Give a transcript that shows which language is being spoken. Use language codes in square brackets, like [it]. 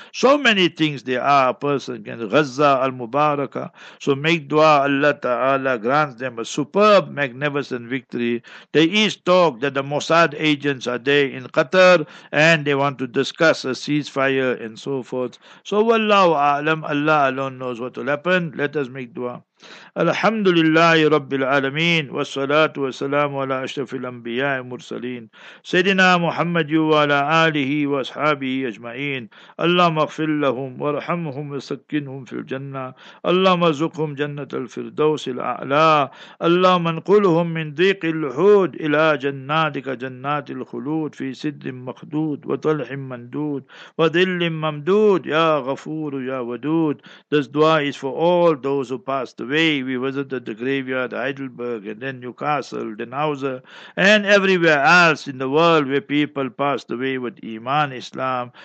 [en] So many things there are a person can, Gaza al-Mubarakah. So make dua, Allah Ta'ala grants them a superb, magnificent victory. There is talk that the Mossad agents are there in Qatar, and they want to discuss a ceasefire and so forth. So wallahu a'lam, Allah alone knows what will happen. Let us make dua. [ar] الحمد لله رب العالمين والصلاة والسلام على أشرف الأنبياء المرسلين سيدنا محمد وعلى آله وأصحابه أجمعين اللهم اغفر لهم وارحمهم وسكنهم في الجنة اللهم ارزقهم جنة الفردوس الأعلى اللهم انقلهم من ضيق الحود إلى جناتك جنات الخلود في سدر مخدود وطلح مندود وظل ممدود يا غفور يا ودود. [en] This dua is for all those who passed away. Way we visited the graveyard, Heidelberg, and then Newcastle, then Hauser, and everywhere else in the world where people passed away with Iman, Islam.